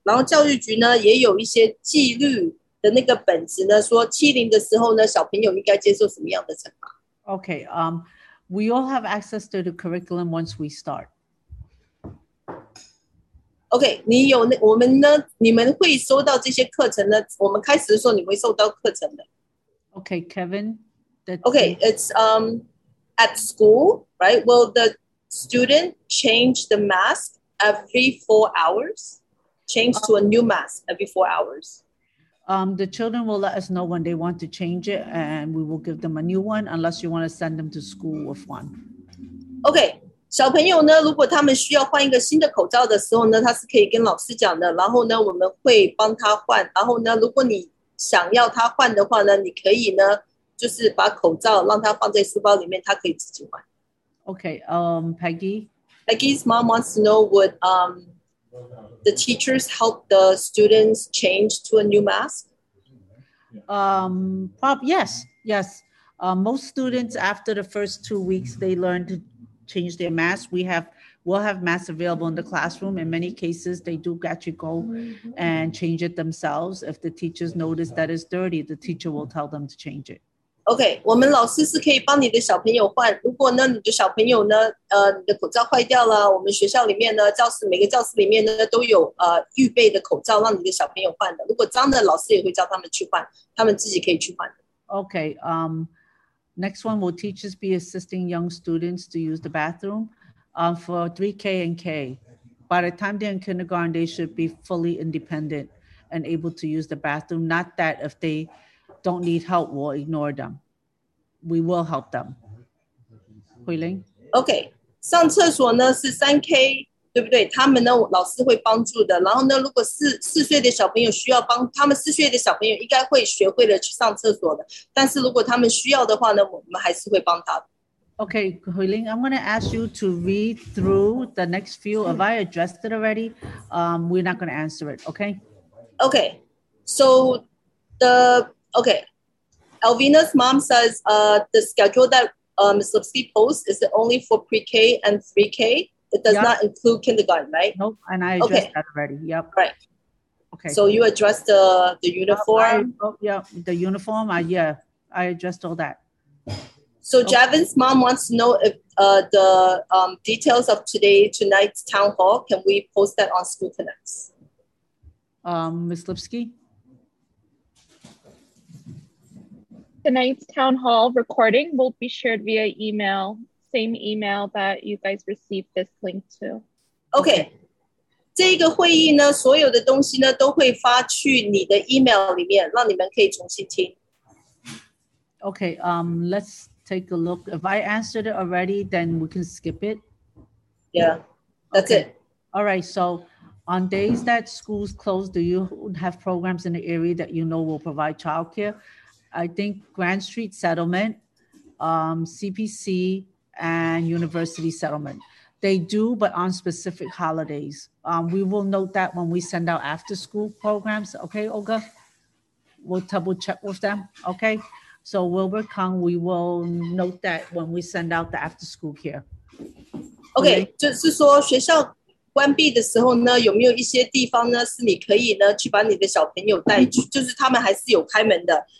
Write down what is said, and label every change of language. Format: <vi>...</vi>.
<zh>然后教育局呢也有一些纪律的那个本子呢，说欺凌的时候呢小朋友应该接受什么样的惩罚。</zh> <en>OK， we all have access to the curriculum once we start。</en> <zh>OK， 你有那我们呢？你们会收到这些课程呢？我们开始的时候，你会收到课程的。</zh> <en>OK，Kevin、 okay,。 OK，it's、okay, at school, right? Will the student change the mask every 4 hours? Change to a new mask every 4 hours? The children will let us know when they want to change it, and we will give them a new one unless you want to send them to school with one. OK。</en> <zh>小朋友呢，如果他们需要换一个新的口罩的时候呢，他是可以跟老师讲的，然后呢我们会帮他换。然后呢如果你想要他换的话呢，你可以呢就是把口罩让他放在书包里面，他可以自己换。</zh> <en>OK， Peggy， Peggy's mom wants to know would the teachers help the students change to a new mask? Yes, most students after the first 2 weeks they learn to change their masks. We'll have masks available in the classroom. In many cases, they do actually go and change it themselves. If the teachers notice that it's dirty, the teacher will tell them to change it.</en> <zh>Okay, 我们老师是可以帮你的小朋友换。如果呢，你的小朋友呢，你的口罩坏掉了，我们学校里面呢，教室每个教室里面呢都有预备的口罩让你的小朋友换的。如果脏的，老师也会叫他们去换，他们自己可以去换。</zh> <en>Okay, Next one, will teachers be assisting young students to use the bathroom for 3K and K? By the time they're in kindergarten, they should be fully independent and able to use the bathroom. Not that if they don't need help, we'll ignore them. We will help them. Huiling?</en> <zh>Okay. 上厕所呢是 3K, 对不对？他们呢，老师会帮助的。然后呢，如果四岁的小朋友需要帮，他们四岁的小朋友应该会学会了去上厕所的。但是如果他们需要的话呢，我们还是会帮他的。</zh> <en>Okay, Huiling, I'm going to ask you to read through the next few. Have I addressed it already? We're not going to answer it, okay? Okay. So, Alvina's mom says the schedule that Slipsy posts, is it only for pre-K and 3K? It does not include kindergarten, right? Nope, and I addressed that already, yep. Right. Okay. So you addressed the uniform? I addressed all that. So Javin's mom wants to know if the details of tonight's town hall, can we post that on School Connects? Ms. Lipsky? Tonight's town hall recording will be shared via email, same email that you guys received this link to. Okay.</en> <zh>这个会议呢，所有的东西呢，都会发去你的 email 里面，让你们可以重新听。</zh> <en>Okay, let's take a look. If I answered it already, then we can skip it. Yeah, that's it. All right, so on days that schools close, do you have programs in the area that you know will provide childcare? I think Grand Street Settlement, CPC, and University Settlement. They do, but on specific holidays. We will note that when we send out after school programs. Okay, Olga? We'll double check with them. Okay? So Wilbur Kang, we will note that when we send out the after school care.</en> <zh>Okay, 就是说学校关闭的时候呢, 有没有一些地方呢, 是你可以呢, 去把你的小朋友带去, 就是他们还是有开门的。</zh>